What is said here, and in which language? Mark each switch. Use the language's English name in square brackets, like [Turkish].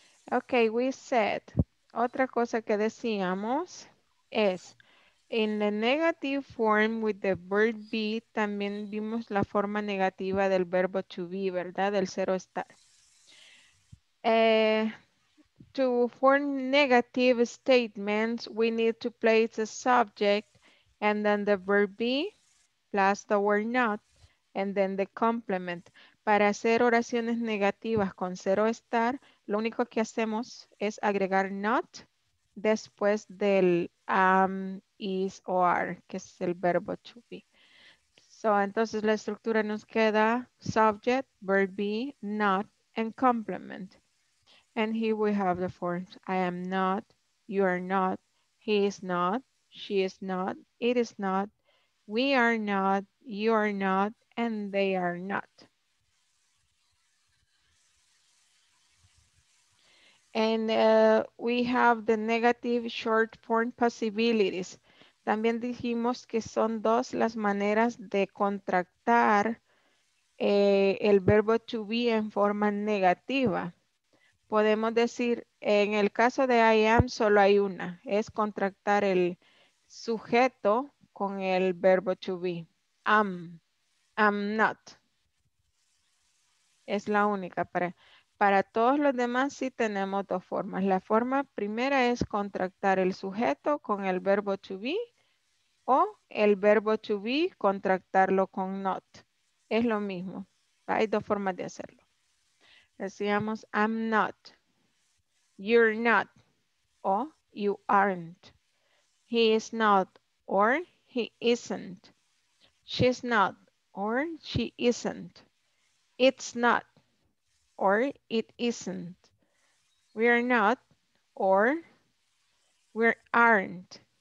[English] Okay, we said, [Spanish] otra cosa que decíamos es, [English] in the negative form with the verb be, [Spanish] también vimos la forma negativa del verbo to be, ¿verdad? Del ser o estar. [English] To form negative statements, we need to place a subject and then the verb be, plus the word not, and then the complement. [Spanish] Para hacer oraciones negativas con ser o estar, lo único que hacemos es agregar not después del is o are, que es el verbo to be. [English] So, [Spanish] entonces la estructura nos queda [English] subject, verb be, not, and complement. And here we have the forms. I am not, you are not, he is not, she is not, it is not, we are not, you are not, and they are not. And we have the negative short form possibilities. [Spanish] También dijimos que son dos las maneras de contractar el verbo to be en forma negativa. Podemos decir, en el caso de I am, solo hay una. Es contractar el sujeto con el verbo to be, am not. Es la única. Para todos los demás sí tenemos dos formas. La forma primera es contractar el sujeto con el verbo to be, o el verbo to be contractarlo con not. Es lo mismo. Hay dos formas de hacerlo. Decíamos [English] am not, you're not, o you aren't. He is not, or he isn't. She's not, or she isn't. It's not, or it isn't. We are not, or we aren't.